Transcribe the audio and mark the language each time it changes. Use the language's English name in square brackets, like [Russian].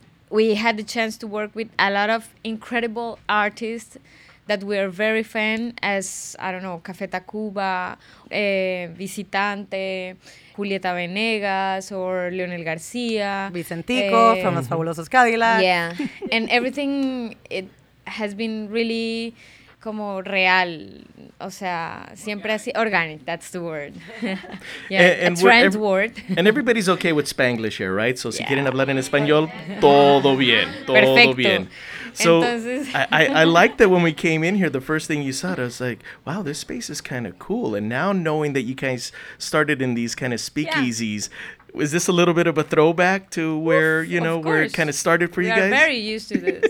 [English] We had the chance to work with a lot of incredible artists that we are very fan, as, I don't know, Café Tacuba, Visitante, Julieta Venegas, or Leonel García. Vicentico from Los Fabulosos Cadillacs. Yeah, and everything, it has been really [Spanish] como real, o sea, siempre así, [English] organic, that's the word. Yeah, and a trend word. And everybody's okay with Spanglish here, right? So [Spanish] si quieren hablar en español, todo bien, todo perfecto. Bien. [English] So I like that when we came in here, the first thing you said, I was like, wow, this space is kind of cool. And now knowing that you guys started in these kind of speakeasies, is this a little bit of a throwback to where, you know, where it kind of started for we you guys? We are very used to this.